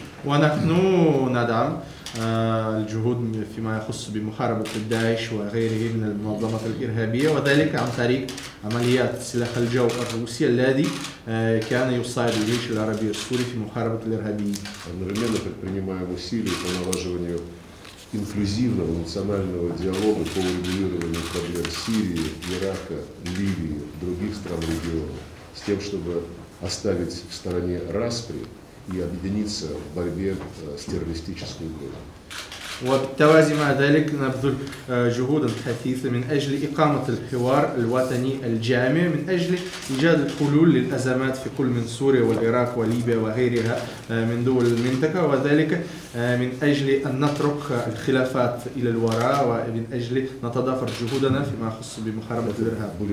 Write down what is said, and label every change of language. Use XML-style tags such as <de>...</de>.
<ar>ونحن ندعم الجهود فيما يخص بمحاربة داعش وغيره من المنظمات الإرهابية وذلك عن طريق عمليات سلاح الجو الروسي الذي كان يساعد الجيش العربي السوري في محاربة الإرهابيين.</ar> <ru>Одновременно предпринимаем усилия по налаживанию инклюзивного национального диалога по урегулированию проблем Сирии, Ирака, Ливии, других стран региона, с тем, чтобы оставить в стороне распри и объединиться в борьбе с террористической угрозой.</ru> <ar>وبالتوازي مع ذلك نبذل جهودا حثيثة من أجل إقامة الحوار الوطني الجامع من أجل إيجاد الحلول للأزمات في كل من سوريا والعراق وليبيا وغيرها من دول المنطقة وذلك من أجل أن نترك الخلافات إلى الوراء ومن أجل نتضافر جهودنا فيما يخص بمحاربة الإرهاب.</ar>